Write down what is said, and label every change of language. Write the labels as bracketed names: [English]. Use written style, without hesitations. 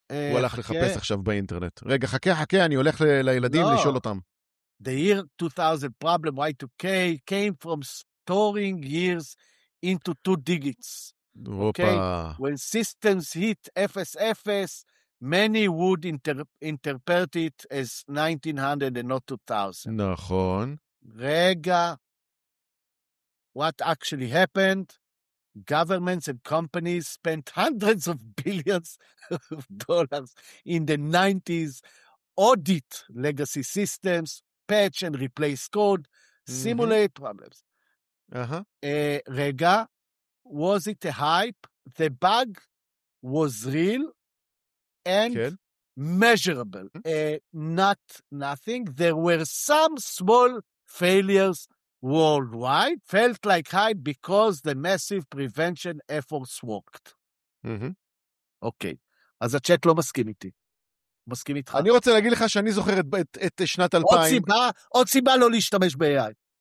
[Hebrew] הוא הלך לחפש עכשיו באינטרנט. רגע, חכה, אני הולך לילדים לשאול אותם. [English] The year 2000 problem Y2K came from storing years into two digits. [Hebrew] אוקיי? [English] When systems hit 0-0, many would interpret it as 1900 and not 2000. [Hebrew] נכון. רגע, [English] what actually happened? Governments and companies spent hundreds of billions of dollars in the 90s audit legacy systems, patch and replace code, simulate problems. [Hebrew] Rega, [English] was it a hype? The bug was real and measurable. Not nothing. There were some small failures worldwide, felt like hype because the massive prevention efforts worked. [Hebrew] אוקיי. אז הצ'אט לא מסכים איתי. מסכים איתך. אני רוצה להגיד לך שאני זוכר את שנת 2000. עוד סיבה לא להשתמש ב-AI.